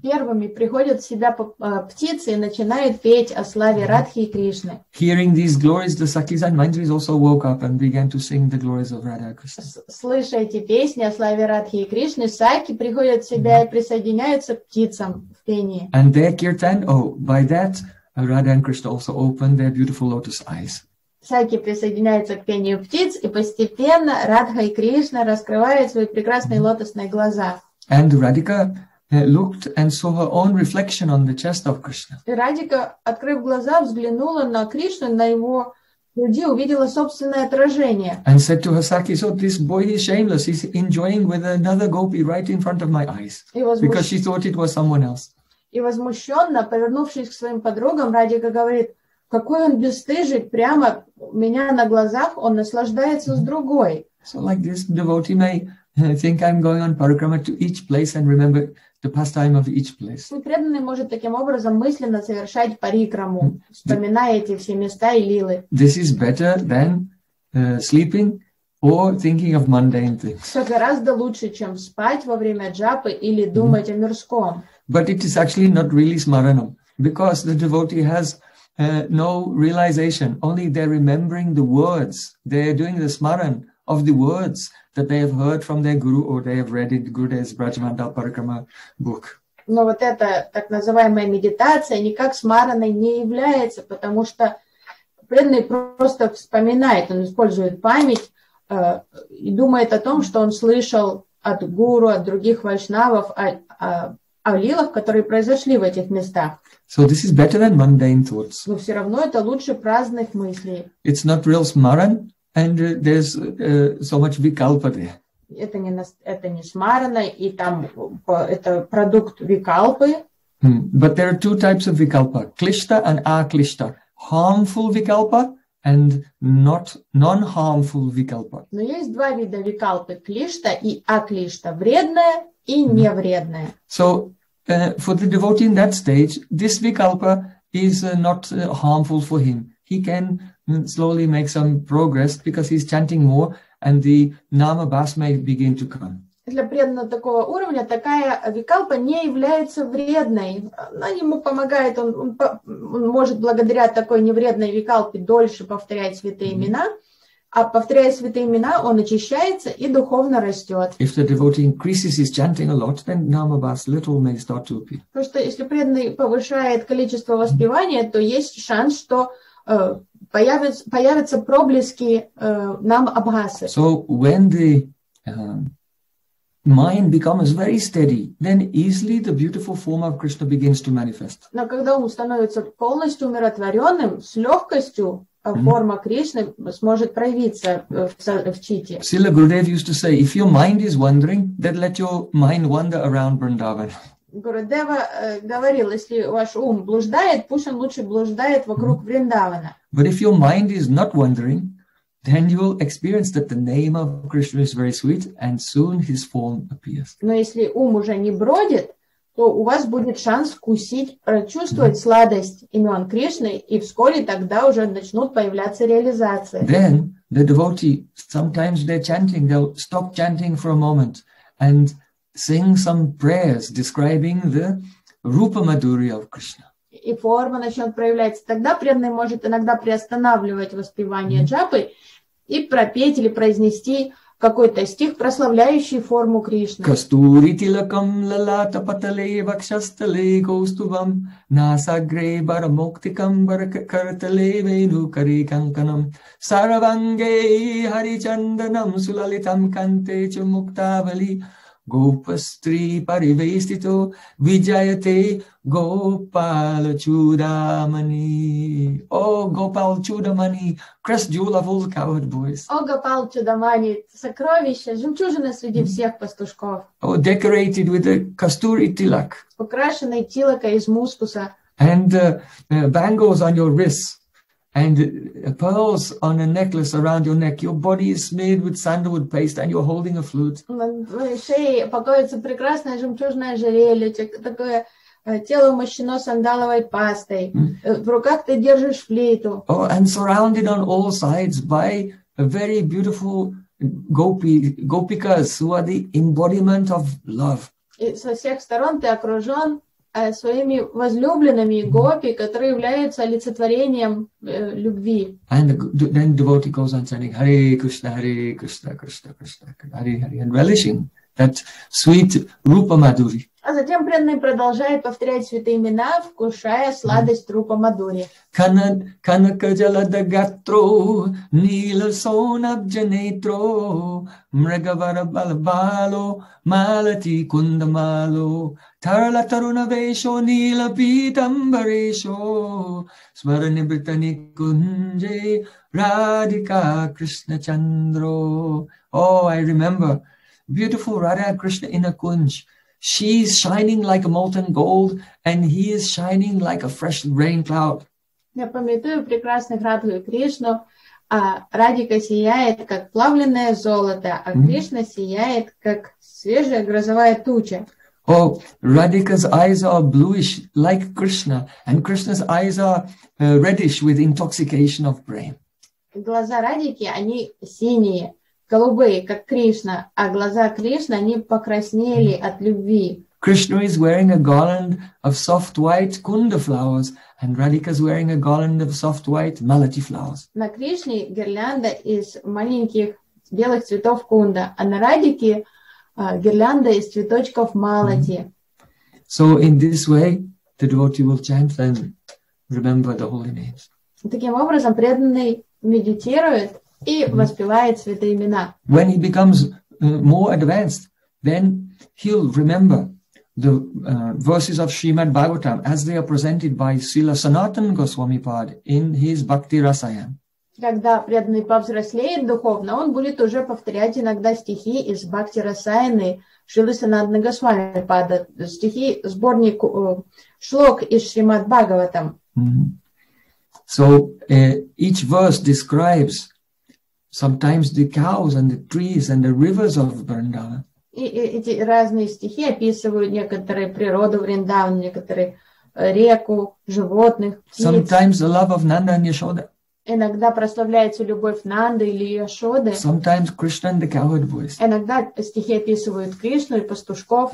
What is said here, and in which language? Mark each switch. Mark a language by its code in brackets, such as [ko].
[ru] Первыми приходят в себя птицы и начинают петь о славе Радхи и Кришны. [en] Hearing these glories, the Sakis and Mandris also woke up and began to sing the glories of Radha and Krishna. [ru] Слыша эти песни о славе Радхи и Кришны, Саки приходят в себя и присоединяются к птицам в пении. [en] And their kirtan, oh, by that, Radha and Krishna also opened their beautiful lotus eyes. [ru] Саки присоединяются к пению птиц, и постепенно Радха и Кришна раскрывают свои прекрасные лотосные глаза. [en] And Radhika looked and saw her own reflection on the chest of Krishna. [ru] И Радика, открыв глаза, взглянула на Кришну, на его груди, увидела собственное отражение. [en] And said to her Saki, so this boy is shameless, he's enjoying with another gopi right in front of my eyes. Because she thought it was someone else. [ru] И возмущенно, повернувшись к своим подругам, Радика говорит, какой он бесстыжий, прямо у меня на глазах он наслаждается с другой. [en] So like this devotee may think I'm going on parikrama to each place and remember the pastime of each place. [ru] Свой преданный может таким образом мысленно совершать парикраму, вспоминая эти все места и лилы. [en] This is better than sleeping or thinking of mundane things. [ru] Все гораздо лучше, чем спать во время джапы или думать о мирском. [en] But it is actually not really smaranam, because the devotee has no realization, only they're remembering the words. They're doing the smaran of the words that they have heard from their guru or they have read in Gurudev's Brajmandal Parikrama book. [ru] Но вот эта так называемая медитация никак смараной не является, потому что преданный просто вспоминает, он использует память и думает о том, что он слышал от гуру, от других вайшнавов, о лилах, которые произошли в этих местах. [en] So this is better than mundane thoughts. [ru] Но все равно это лучше праздных мыслей. [en] It's not real smaran, and there's so much vikalpa there. [ru] Это не смарана, и там это продукт викалпы. [en] But there are two types of vikalpa, klishta and aklishta. Harmful vikalpa and not non-harmful vikalpa. [ru] Но есть два вида викалпы, клишта и аклишта. Вредная и невредная. [en] So for the devotee in that stage, this vikalpa is not harmful for him. He can slowly make some progress because he's chanting more and the nama bas may begin to come. [ru] Для преданного такого уровня такая викалпа не является вредной. Она ему помогает, он может благодаря такой невредной викалпе дольше повторять святые имена. А повторяя святые имена, он очищается и духовно растет. [en] If the devotee increases his chanting a lot, then nama bas little may start to appear. [ru] Потому что если преданный повышает количество воспевания, то есть шанс, что появятся проблески нама басы. [en] So when the mind becomes very steady, then easily the beautiful form of Krishna begins to manifest. [ru] Но когда ум становится полностью умиротворенным, с легкостью форма Кришны сможет проявиться в чите. [en] Сила Гурудев used to say, if your mind is wandering, then let your mind wander around Vrindavan. [ru] Гурудева говорил, если ваш ум блуждает, пусть он лучше блуждает вокруг Вриндавана. [en] But if your mind is not wandering, then you will experience that the name of Krishna is very sweet, and soon his form appears. [ru] Но если ум уже не бродит, то у вас будет шанс вкусить, прочувствовать сладость имен Кришны, и вскоре тогда уже начнут появляться реализации. [en] Then the devotee, sometimes they're chanting, they'll stop chanting for a moment and sing some prayers describing the Rupa Madhurya of Krishna. [ru] И форма начнет проявляться. Тогда преданный может иногда приостанавливать воспевание джапы и пропеть или произнести какой-то стих, прославляющий форму Кришны. [sa] Кастури тилакам лалата патале вакшастале гоустубам насагре барамоктикам баракартале вену кариканканам сараванге харичанданам сулалитам канте чумуктавали Гопастри паривестито виджаяте Гопала Чудамани. [en] О, Гопал Чудамани, crest jewel of all coward boys. [ru] О, Гопал Чудамани, сокровище, жемчужина среди всех пастушков. [en] О, decorated with a kasturi tilak. [ru] Украшенный тилака из мускуса. [en] And bangles on your wrists. And pearls on a necklace around your neck. Your body is smeared with sandalwood paste and you're holding a flute. [ru] На шее покоится прекрасное жемчужное ожерелье. Такое тело умощено сандаловой пастой. В руках ты держишь флейту. [en] Oh, and surrounded on all sides by a very beautiful gopikas who are the embodiment of love. [ru] И со всех сторон ты окружен своими возлюбленными гопи, которые являются олицетворением любви. [en] And then devotee goes on chanting Hare Krishna, Hare Krishna, Krishna Krishna, Hare Hare, and relishing that sweet Rupa Madhuri. [ru] А затем преданный продолжает повторять святые имена, вкушая сладость Рупа Мадури. [sa] Канака Джалада Гатро, Нила Сонабджанетро, Мрагавара Балабало, Малати Кундамало, Тарла Таруна Вешо, Нила Питамбарешо, Сварани Британи Кунджи, Радика Кришна Чандро. [en] Oh, I remember beautiful Radha Krishna in a Kunj. She is shining like molten gold, and he is shining like a fresh rain cloud. [ru] Я помню прекрасных Радху Кришну, а Радика сияет как плавленное золото, а Кришна сияет как свежая грозовая туча. [en] Oh, Radhika's eyes are bluish like Krishna, and Krishna's eyes are reddish with intoxication of brain. [ru] Глаза Радики они синие. Голубые, как Кришна, а глаза Кришны, они покраснели от любви. [en] Krishna is wearing a garland of soft white kunda flowers, and Radhika is wearing a garland of soft white malati flowers. [ru] На Кришне гирлянда из маленьких белых цветов кунда, а на Радике гирлянда из цветочков малати. [en] So in this way, the devotee will chant and remember the holy names. [ru] Таким образом, преданный медитирует и воспевает святые имена. [en] When he becomes more advanced, then he'll remember the verses of Srimad Bhagavatam as they are presented by Srila Sanatan Goswami Pad in his Bhakti Rasayan. [ru] Когда преданный повзрослеет духовно, он будет уже повторять иногда стихи из Бхакти Расаяны Шрилы Санатана Госвами Пада, стихи сборник шлок из Шримад Бхагаватам. [en] So each verse describes sometimes the cows and the trees and the rivers of Vrindavan. [ru] Эти разные стихи описывают некоторые природу Вриндавана, некоторые реку, животных, птиц. [en] Sometimes the love of Nanda and Yashoda. [ru] Иногда прославляется любовь Нанды или Яшоды. [en] Sometimes Krishna and the cowherd boys. [ru] Иногда стихи описывают Кришну и пастушков.